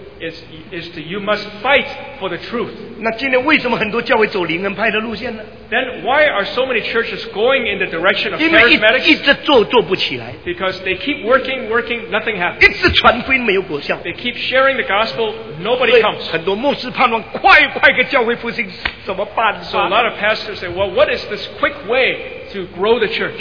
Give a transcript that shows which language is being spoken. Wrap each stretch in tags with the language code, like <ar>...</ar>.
<en>Is to you must fight for the truth.</en> <zh>那今天为什么很多教会走灵恩派的路线呢?</zh> <en>Then why are so many churches going in the direction of charismatics? Because they keep working, nothing happens. They keep sharing the gospel, nobody comes. So a lot of pastors say, well, what is this quick way to grow the church?</en>